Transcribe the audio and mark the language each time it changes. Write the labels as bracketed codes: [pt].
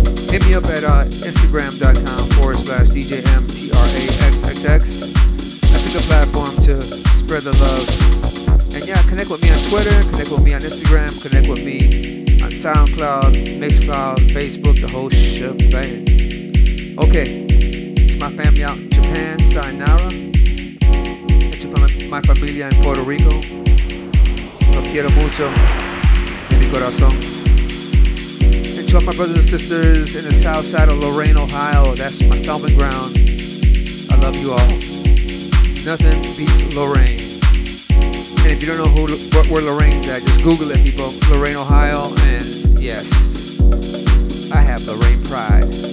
[en] Hit me up at Instagram.com/DJMTRAXXX. The platform to spread the love. And yeah, connect with me on Twitter, connect with me on Instagram, connect with me on SoundCloud, MixCloud, Facebook, the whole shebang. Okay, to my family out in Japan, sayonara. And to my familia in Puerto Rico, [es] lo quiero mucho, de mi corazón. [en] And to all my brothers and sisters in the south side of Lorain, Ohio, that's my stomping ground, I love you all. Nothing beats Lorain. And if you don't know where Lorain's at, just Google it, people. Lorain, Ohio. And yes, I have Lorain pride.